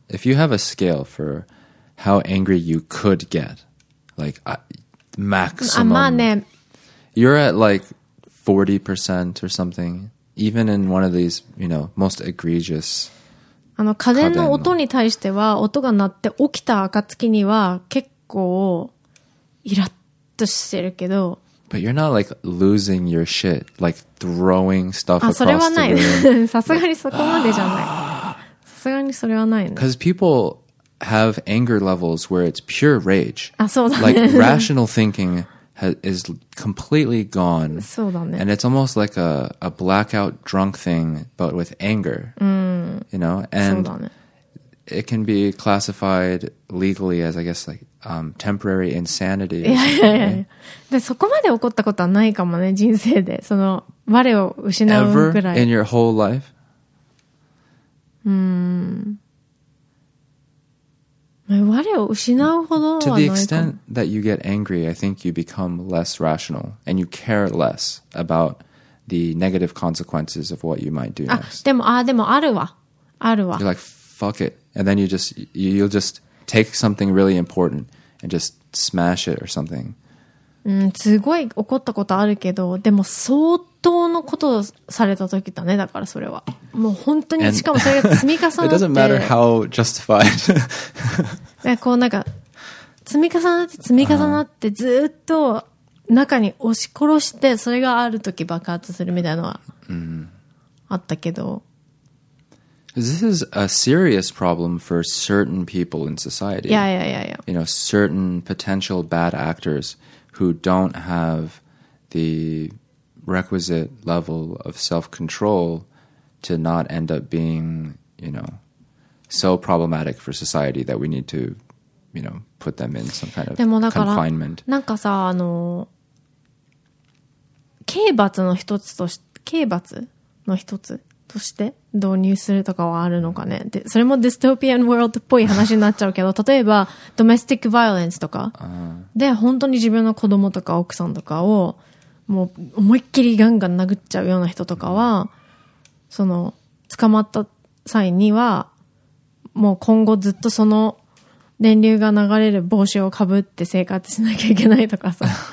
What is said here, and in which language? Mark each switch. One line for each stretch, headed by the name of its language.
English: If you have a scale for how angry you could get, like maximum...
Japanese: まあね。
English: You're at like 40% or something, even in one of these, you know, most egregious...
Japanese: 家電の音に対しては音が鳴って起きた暁には結構イラッとしてるけど、
English: But you're not like losing your shit, like throwing stuff across the room.
Japanese: それはない。さすがにそこまでじゃない。さすがにそれはないね。
English: Because people have anger levels where it's pure rage.
Japanese: あ、そうだね。
English: Like rational thinking is completely gone.
Japanese: そうだね。
English: And it's almost like a blackout drunk thing, but with anger.
Japanese: うん。
English: You know? And it can be classified legally as, I guess, like, temporary insanity.
Japanese: いやいやいや。で、そこまで怒ったことはないかもね、人生で。その、我を失うくらい。
English: Ever in your whole life?
Japanese: 我を失うほどはない。
English: To the extent that you get angry, I think you become less rational and you care less about the negative consequences of what you might do next.
Japanese: でもあるわ。あるわ。
English: You're like, fuck it. And then you'll just take something really important and just smash it or something.
Japanese: すごい怒ったことあるけど、でも相当のことをされた時だね、だからそれは。もう本当に、しかもそれが積み重なって。
English: It doesn't matter how justified.
Japanese: こうなんか、積み重なって、ずっと中に押し殺して、それがある時爆発するみたいなのは、あったけど。
English: This is a serious problem for certain people in society. Yeah, yeah, yeah, yeah. You know, certain potential bad actors. Who don't have the requisite level of self-control to not end up being, you know, so problematic for society that we need to, you know, put them in some kind of confinement.
Japanese: なんかさ、あの、刑罰の一つとし、刑罰の一つとして導入するとかはあるのかね。で、それもディストピアンワールドっぽい話になっちゃうけど、例えばドメスティックバイオレンスとかで本当に自分の子供とか奥さんとかをもう思いっきりガンガン殴っちゃうような人とかは、その捕まった際にはもう今後ずっとその電流が流れる帽子をかぶって生活しなきゃいけないとかさ、